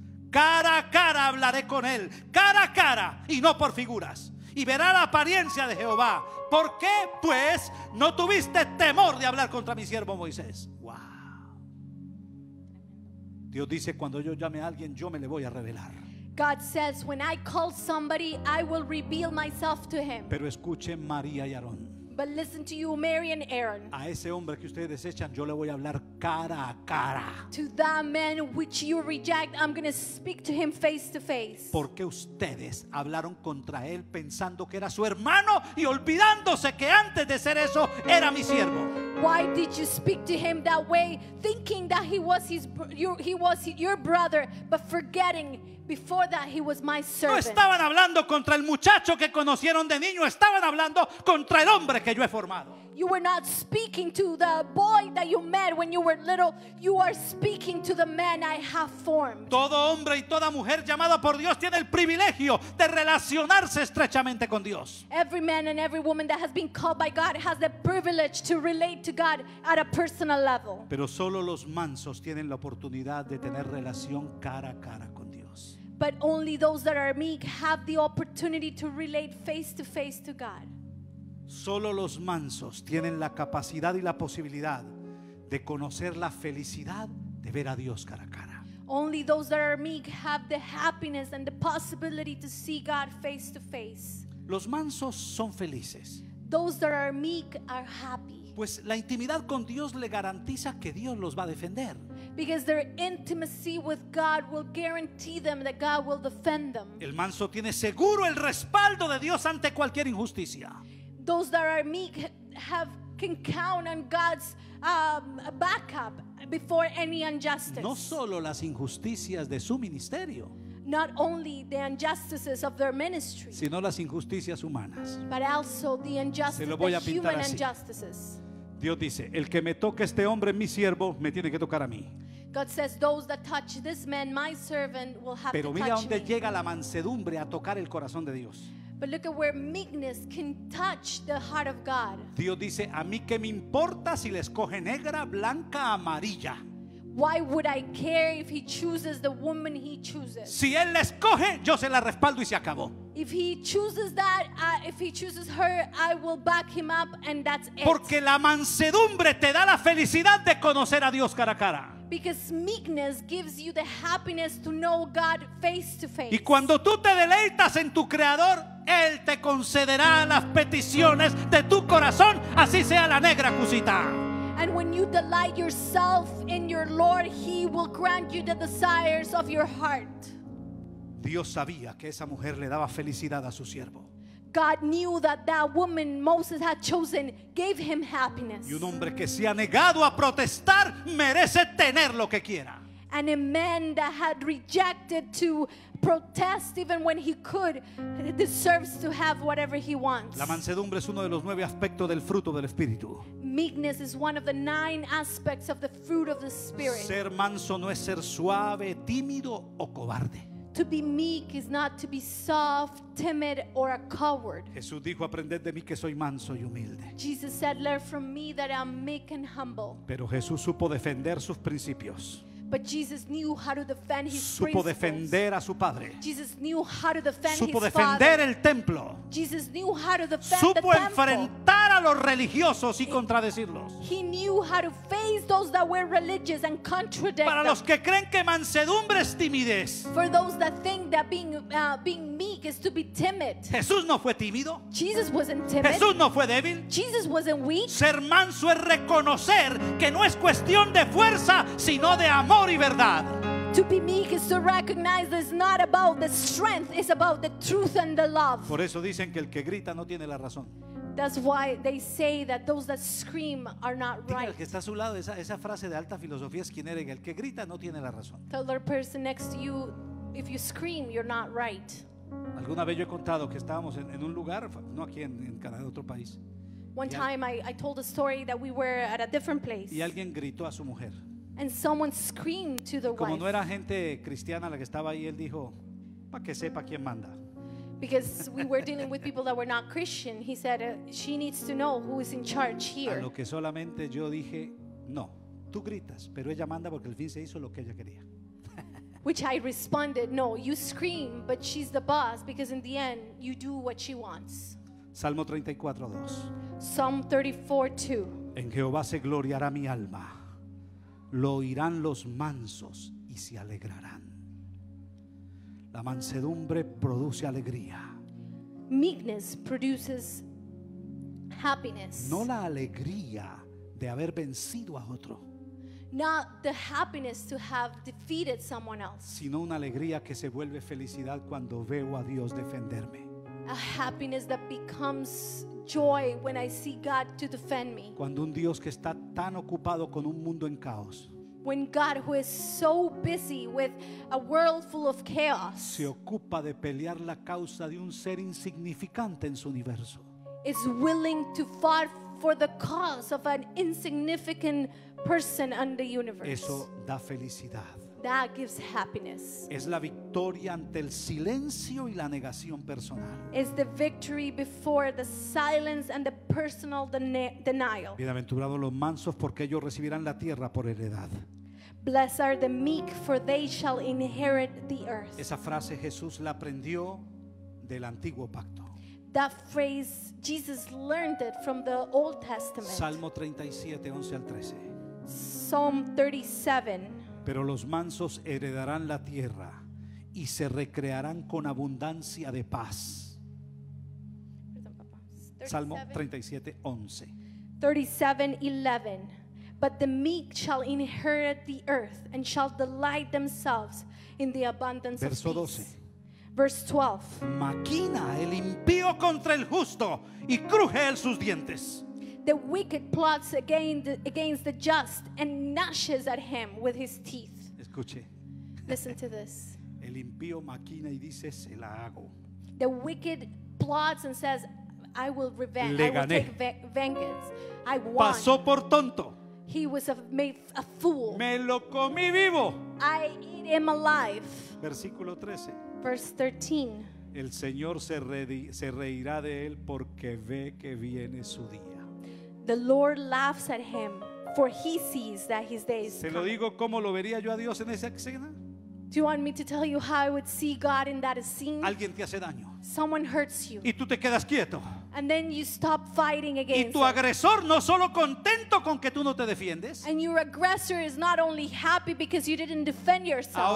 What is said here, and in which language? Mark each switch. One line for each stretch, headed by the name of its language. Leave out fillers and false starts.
Spanish: Cara a cara hablaré con él, cara a cara y no por figuras. Y verá la apariencia de Jehová. ¿Por qué, pues, no tuviste temor de hablar contra mi siervo Moisés? Wow. Dios dice: cuando yo llame a alguien, yo me le voy a revelar.
English: God says, when I call somebody, I will reveal myself to him.
Spanish: Pero escuche, María y Aarón.
English: But listen to you, Mary and Aaron.
Spanish: A ese hombre que ustedes desechan, yo le voy a hablar cara a cara.
English: To that man which you reject, I'm going to speak to him face to face.
Spanish: Porque ustedes hablaron contra él pensando que era su hermano y olvidándose que antes de ser eso era mi siervo.
English: Why did you speak to him that way, thinking that he was your brother, but forgetting before that he was my servant?
Spanish: No estaban hablando contra el muchacho que conocieron de niño, estaban hablando contra el hombre que yo he formado.
English: You were not speaking to the boy that you met when you were little. You are speaking to the man I have formed.
Spanish: Todo hombre y toda mujer llamada por Dios tiene el privilegio de relacionarse estrechamente con Dios.
English: Every man and every woman that has been called by God has the privilege to relate to God at a personal level.
Spanish: Pero solo los mansos tienen la oportunidad de tener relación cara a cara con Dios.
English: But only those that are meek have the opportunity to relate face to face to God.
Spanish: Solo los mansos tienen la capacidad y la posibilidad de conocer la felicidad de ver a Dios cara a cara.
English: Only those that are meek have the happiness and the possibility to see God face to face.
Spanish: Los mansos son felices.
English: Those that are meek are happy.
Spanish: Pues la intimidad con Dios le garantiza que Dios los va a defender.
English: Because their intimacy with God will guarantee them that God will defend them.
Spanish: El manso tiene seguro el respaldo de Dios ante cualquier injusticia.
English: Those that are meek have can count on God's backup before any injustice.
Spanish: No solo las injusticias de su ministerio.
English: Not only the injustices of their ministry.
Spanish: Sino las injusticias humanas.
English: But also the injustices, the human injustices.
Spanish: Dios dice: el que me toque este hombre, mi siervo, me tiene que tocar a mí.
English: God says, those that touch this man, my servant, will have to touch me.
Spanish: Pero mira dónde llega la mansedumbre a tocar el corazón de Dios.
English: But look at where meekness can touch the heart of God.
Spanish: Dios dice: a mí qué me importa si le escoge negra, blanca, amarilla.
English: Why would I care if he chooses the woman he chooses?
Spanish: Si él la escoge, yo se la respaldo y se acabó.
English: If he chooses that, if he chooses her, I will back him up and that's it.
Spanish: Porque la mansedumbre te da la felicidad de conocer a Dios cara a cara.
English: Because meekness gives you the happiness to know God face to face.
Spanish: Y cuando tú te deleitas en tu creador, él te concederá las peticiones de tu corazón, así sea la negra cusita.
English: And when you delight yourself in your Lord, he will grant you the desires of your heart.
Spanish: Dios sabía que esa mujer le daba felicidad a su siervo.
English: God knew that that woman Moses had chosen gave him happiness.
Spanish: Y un hombre que se ha negado a protestar merece tener lo que quiera.
English: And a man that had rejected to protest even when he could deserves to have whatever he wants.
Spanish: La mansedumbre es uno de los nueve aspectos del fruto del Espíritu.
English: Meekness is one of the nine aspects of the fruit of the Spirit.
Spanish: Ser manso no es ser suave, tímido o cobarde.
English: To be meek is not to be soft, timid, or a coward.
Spanish: Jesús dijo: aprended de mí que soy manso y humilde.
English: Jesus said, learn from me that I'm meek and humble.
Spanish: Pero Jesús supo defender sus principios.
English: But Jesus knew how to defend his
Spanish: supo
English: principles.
Spanish: Defender a su padre.
English: Jesus knew how to defend
Spanish: supo
English: his
Spanish: defender
English: father.
Spanish: El templo.
English: Jesus knew how to defend
Spanish: supo
English: the
Spanish: enfrentar
English: temple.
Spanish: A los religiosos y contradecirlos.
English: He knew how to face those that were religious and contradict
Spanish: para
English: them.
Spanish: Los que creen que mansedumbre es timidez.
English: For those that think that being meek is to be timid.
Spanish: Jesús no fue tímido.
English: Jesus wasn't timid.
Spanish: Jesús no fue débil.
English: Jesus wasn't weak.
Spanish: Ser manso es reconocer que no es cuestión de fuerza, sino de amor y verdad.
English: To be meek is to recognize that it's not about the strength, it's about the truth and the love.
Spanish: Por eso dicen que el que grita no tiene la razón.
English: That's why they say that those that scream are not right.
Spanish: Dile al que está a su lado esa frase de alta filosofía es quien eres. El que grita no tiene la razón.
English: Tell the person next to you, if you scream, you're not right.
Spanish: Alguna vez yo he contado que estábamos en un lugar, no aquí en Canadá, en otro país.
English: One time I told a story that we were at a different place.
Spanish: Y alguien gritó a su mujer.
English: And someone screamed to the wife.
Spanish: Como no era gente cristiana la que estaba ahí, él dijo, para que sepa quién manda.
English: Because we were dealing with people that were not Christian, he said she needs to know who is in charge here.
Spanish: A lo que solamente yo dije, no, tú gritas, pero ella manda porque al fin se hizo lo que ella quería.
English: Which I responded, no, you scream, but she's the boss because in the end you do what she wants.
Spanish: Salmo 34:2.
English: Psalm 34:2.
Spanish: En Jehová se gloriará mi alma. Lo oirán los mansos y se alegrarán. La mansedumbre produce alegría.
English: Meekness produces happiness.
Spanish: No la alegría de haber vencido a otro.
English: Not the happiness to have defeated someone else.
Spanish: Sino una alegría que se vuelve felicidad cuando veo a Dios defenderme.
English: A happiness that becomes joy when I see God to defend me.
Spanish: Cuando un Dios que está tan ocupado con un mundo en caos.
English: When God, who is so busy with a world full of chaos,
Spanish: se ocupa de pelear la causa de un ser insignificante en su universo,
English: is willing to fight for the cause of an insignificant person in the universe.
Spanish: Eso da felicidad.
English: That gives happiness.
Spanish: Es la victoria ante el silencio y la negación personal.
English: It's the victory before the silence and the personal denial.
Spanish: Bienaventurados los mansos porque ellos recibirán la tierra por heredad.
English: Blessed are the meek for they shall inherit the earth.
Spanish: Esa frase Jesús la aprendió del Antiguo Pacto.
English: That phrase Jesus learned it from the Old Testament.
Spanish: Salmo 37:11-13.
English: Psalm 37.
Spanish: Pero los mansos heredarán la tierra y se recrearán con abundancia de paz. Salmo 37:11. 37:11.
English: But the meek shall inherit the earth and shall delight themselves in the abundance of peace.
Spanish: Verso 12.
English: Verse 12.
Spanish: Maquina el impío contra el justo y cruje él sus dientes.
English: The wicked plots against the just and gnashes at him with his teeth.
Spanish: Escuche.
English: Listen to this.
Spanish: El impío maquina y dice, se la hago.
English: The wicked plots and says, I will revenge.
Spanish: Le
English: I will
Spanish: gané.
English: Take vengeance. I won.
Spanish: Pasó por tonto.
English: He was made a fool.
Spanish: Me lo comí vivo.
English: I eat him alive.
Spanish: Versículo 13.
English: Verse 13.
Spanish: El Señor se reirá de él porque ve que viene su día.
English: The Lord laughs at him, for he sees that his days.
Spanish: Se lo digo como lo vería yo a Dios en esa escena.
English: Do you want me to tell you how I would see God in that scene?
Spanish: Alguien te hace daño.
English: Someone hurts you.
Spanish: Y tú te quedas quieto.
English: And then you stop fighting against.
Spanish: Y tu agresor no solo contento con que tú no te defiendes.
English: And your aggressor is not only happy because you didn't defend yourself.